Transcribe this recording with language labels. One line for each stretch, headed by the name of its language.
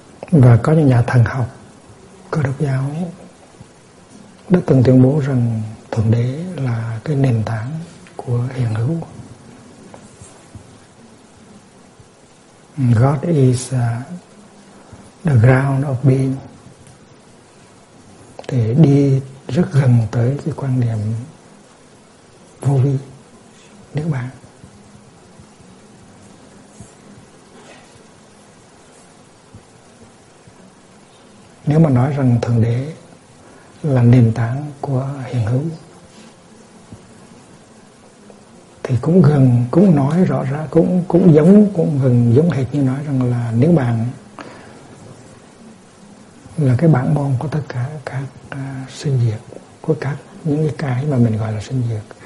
Vietnamese: Và có những nhà thần học Cơ Đốc giáo đã từng tuyên bố rằng Thượng Đế là cái nền tảng của hiện hữu.
English: God is the ground of being.
Vietnamese: Thì đi rất gần tới cái quan điểm vô vi, nếu bạn. Nếu mà nói rằng Thượng Đế là nền tảng của hiện hữu thì cũng gần, cũng nói rõ ra, cũng giống hệt như nói rằng là nếu bạn là cái bản môn của tất cả các sinh diệt, của các những cái mà mình gọi là sinh diệt.